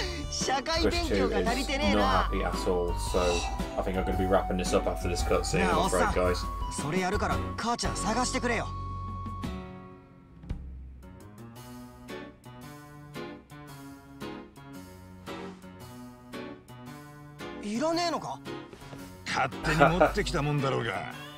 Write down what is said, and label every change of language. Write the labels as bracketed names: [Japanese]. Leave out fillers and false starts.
[Japanese] 社会勉強が足りてねえな。 [English] So, I think I'm gonna be wrapping this up after this cutscene. I'm afraid, guys. [Japanese] それやるから母ちゃん探してくれよ。いらねえのか。勝手に持ってきたもんだろうが。